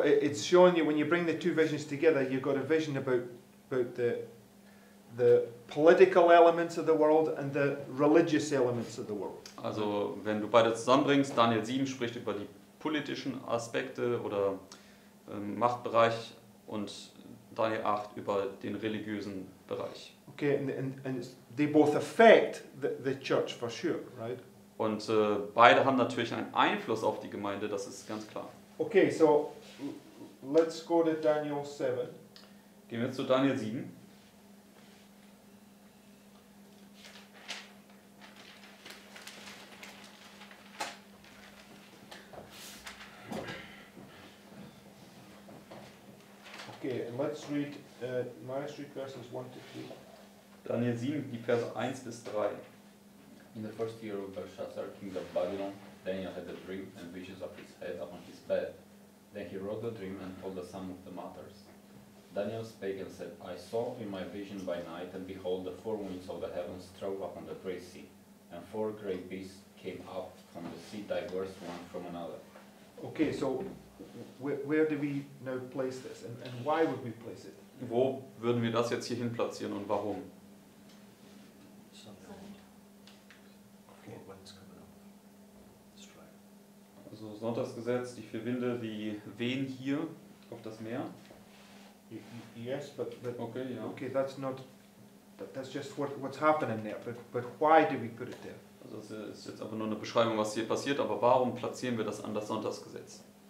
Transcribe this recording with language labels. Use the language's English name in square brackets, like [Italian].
[English] Okay, it's showing you when you bring the two visions together, you've got a vision about the political elements of the world and the religious elements of the world. [German] Also, wenn du beide zusammenbringst, Daniel 7 spricht über die politischen Aspekte oder Machtbereich und Daniel 8 über den religiösen Bereich. [English] Okay, and they both affect the church for sure, right? [German] Und beide haben natürlich einen Einfluss auf die Gemeinde, das ist ganz klar. [English] Okay, so let's go to Daniel 7. [German] Gehen wir zu Daniel 7. [English] Okay, and let's read Maestrit verses 1 to 3. [German] Daniel 7, die Verse 1 bis 3. [English] In the first year of Belshazzar, king of Babylon, Daniel had a dream and visions of his head upon his bed. Then he wrote the dream and told us some of the matters. Daniel spake and said, I saw in my vision by night, and behold, the four winds of the heavens strove upon the great sea, and four great beasts came up from the sea, diverse one from another. Okay, so where do we now place this, and why would we place it? [German] Wo würden wir das jetzt hier hin platzieren und warum? [English] Four winds coming up. [German] Also Sonntagsgesetz, die vier Winde, die wehen hier auf das Meer. [English] Yes, but okay, yeah. Okay, that's not, that's just what's happening there, but why do we put it there? [German] Also das ist jetzt aber nur eine Beschreibung, was hier passiert, aber warum platzieren wir das an das Sonntagsgesetz?